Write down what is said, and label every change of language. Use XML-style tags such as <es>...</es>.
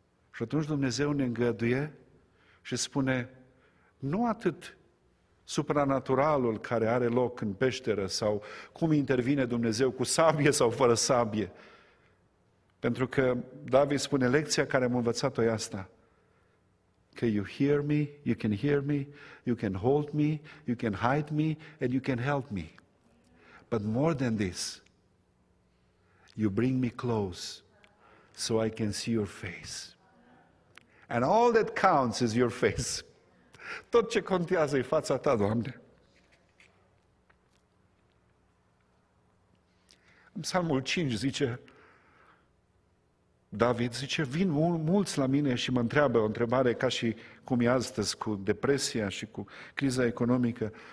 <ro>Și atunci Dumnezeu ne îngăduie și spune, nu atât supranaturalul care are loc în peșteră sau cum intervine Dumnezeu cu sabie sau fără sabie. Pentru că David spune, lecția care am învățat-o e asta.</ro> <en>Că you hear me, you can hear me, you can hold me, you can hide me, and you can help me. But more than this, you bring me close so I can see your face. And all that counts is your face.</en> <ro>Tot ce contează e fața ta, Doamne. În Psalmul 5 zice, David zice, vin mulți la mine și mă întreabă o întrebare ca și cum e astăzi cu depresia și cu criza economică.</ro>